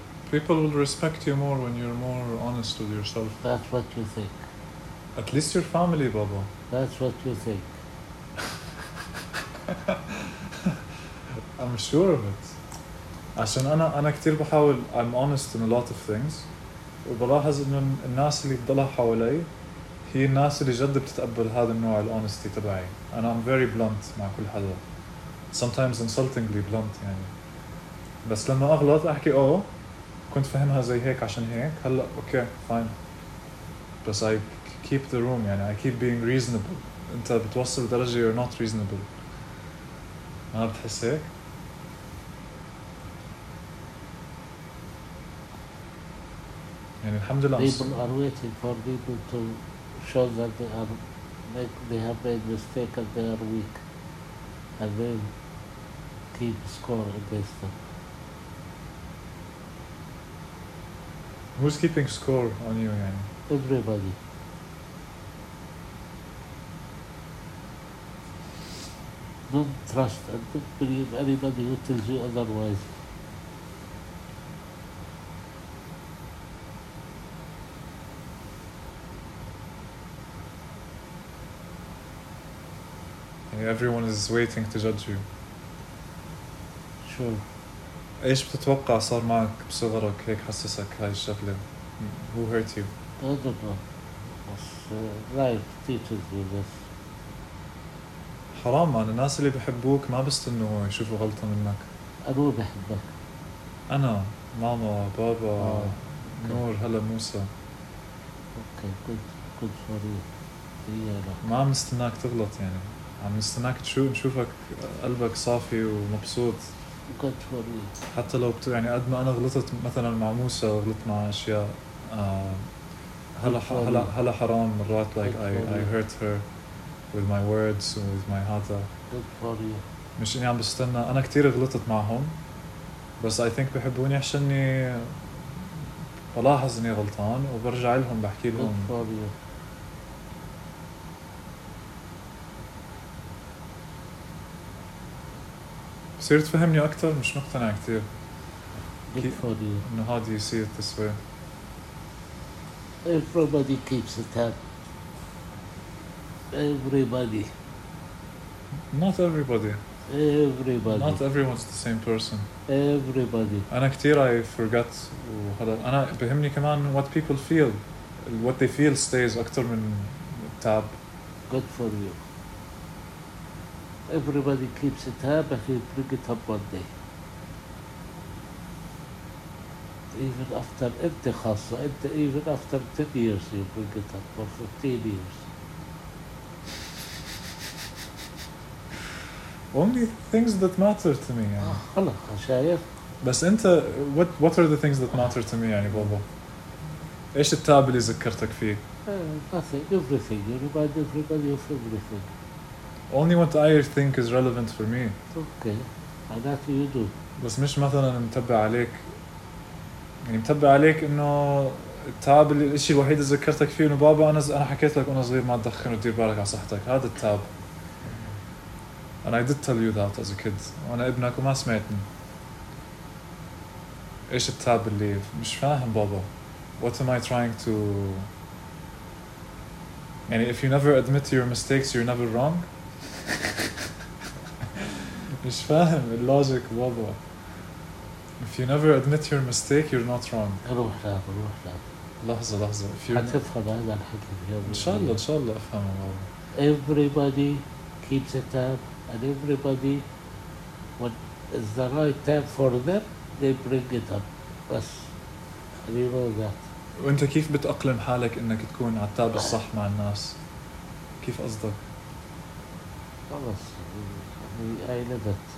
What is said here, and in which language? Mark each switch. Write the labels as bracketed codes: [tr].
[en] People will respect you more when you're more honest with yourself. That's what you think. At least your family, Baba. That's what you think. I'm sure of it. [ar] عشان أنا كتير بحاول, [en] I'm honest in a lot of things. [ar] وبلاحظ إنه الناس اللي بضلها حوالي هي الناس اللي جد بتتقبل هذا النوع الهونستي تبعي. [en] And I'm very blunt [ar] مع كل حدا. [en] Sometimes insultingly blunt يعني. [ar] بس لما أغلط أحكي أوه. كنت فهمها زي هيك عشان هيك هلا اوكي فاين بس [en] I keep the room [ar] يعني [en] I keep being reasonable [ar] انت بتوصل لدرجة [en] you're not reasonable [ar] ما بتحس هيك يعني الحمد لله [en] people are waiting for people to show that they have made mistake and they are weak and then keep score against them Who's keeping score on you, Yanni? Everybody. Don't trust and don't believe anybody who tells you otherwise. And everyone is waiting to judge you. Sure. [ar] ايش بتتوقع صار معك بصغرك هيك حسسك هاي الشغلة [en] Who hurt you? I don't know Life teaches you this [ar] حرام معنا الناس اللي بحبوك ما بستنوا يشوفوا غلطة منك أنا هو بحبك أنا ماما بابا نور هلا موسى [en] okay good for you [ar] ما عم نستناك تغلط يعني عم نستناك نشوفك قلبك صافي ومبسوط [en] Good for you. [ar] حتى لو بت يعني قد ما أنا غلطت مثلاً مع موسى غلطت مع أشياء هلا حرام مرات [en] like I hurt her with my words and with my heart. Good for you. [ar] مش إني عم بستنى أنا كتير غلطت معهم بس [en] I think [ar] بحبوني عشاني بلاحظ إني غلطان وبرجع لهم بحكي لهم. [en] Good for you. [ar] صير تفهمني أكثر مش مقتنع كثير [en] Good for you. إنه how do you see it this way? Everybody keeps it up. Everybody. Not everybody. Everybody. Not everyone's the same person. Everybody. [ar] أنا كثير [en] I forget [ar] وهذا أنا بهمني كمان [en] what people feel. What they feel stays [ar] أكثر من [en] tab. Good for you. Everybody keeps it up and he'll bring it up one day. Even after even after 10 years you bring it up or 15 years. Only things that matter to me. [ar] Allah Shayf. بس أنت [en] what are the things that matter to me [ar] يعني بابا؟ إيش التعب اللي ذكرتك فيه؟ [en] Nothing, everything. You remind everybody of everything. Only what I think is relevant for me. Okay, and that you do. [ar] بس مش مثلاً متبع عليك يعني متبع عليك إنه التاب اللي الشيء الوحيد اللي ذكرتك فيه إنه بابا أنا حكيت لك وأنا صغير ما تدخن ودير بالك على صحتك هذا التاب. [en] And I did tell you that as a kid. [ar] وأنا ابنك وما سمعتني. إيش التاب اللي مش فاهم بابا. [en] What am I trying to? يعني if you never admit to your mistakes, you're never wrong. [ar] مش فاهم اللوجيك بابا [en] If you never admit your mistake, you're not wrong [ar] روح لاب لحظة [en] if you [ar] هتفهم هذا الحكي إن شاء الله إن شاء الله أفهم الموضوع. [en] Everybody keeps a tab and everybody when is the right tab for them they bring it up. بس you know that. [ar] وأنت كيف بتأقلم حالك إنك تكون على التاب الصح مع الناس؟ كيف قصدك؟ [en] خلاص I live it.